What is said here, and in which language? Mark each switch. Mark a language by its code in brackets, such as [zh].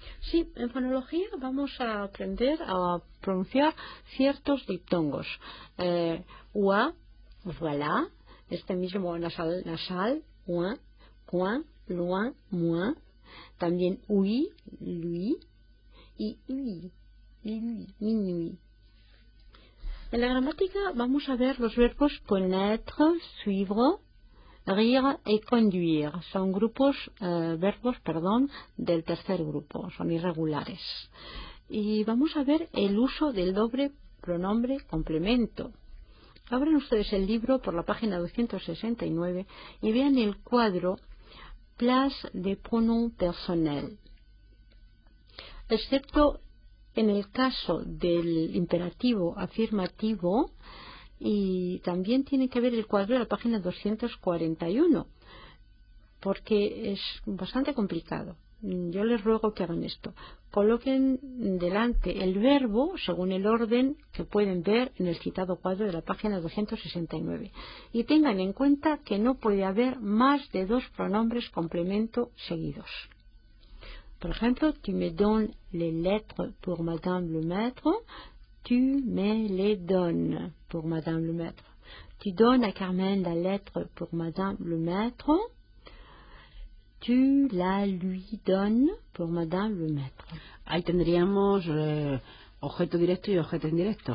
[es] Sí, en fonología vamos a aprender a pronunciar ciertos diptongos. Ua, voilà, este mismo nasal, [fr] ouin, coin, loin, moins. [es] También oui, lui, y lui, minuit. En la gramática vamos a ver los verbos [fr] connaître, suivre, rire et conduire. [es] Son grupos, verbos, perdón, del tercer grupo. Son irregulares. Y vamos a ver el uso del doble pronombre complemento. Abran ustedes el libro por la página 269 y vean el cuadro [fr] Place de pronom personnel. [es] Excepto en el caso del imperativo afirmativo, y también tiene que ver el cuadro de la página 241, porque es bastante complicado. Yo les ruego que hagan esto. Coloquen delante el verbo según el orden que pueden ver en el citado cuadro de la página 269. Y tengan en cuenta que no puede haber más de dos pronombres complemento seguidos. [fr] Por ejemplo, tu me donnes les lettres pour Madame le Maître. Tu me les donnes pour Madame le Maître. Tu donnes à Carmen la lettre pour Madame le Maître. Tu la lui donnes pour Madame le Maître. [es] Ahí tendríamos objeto directo y objeto indirecto.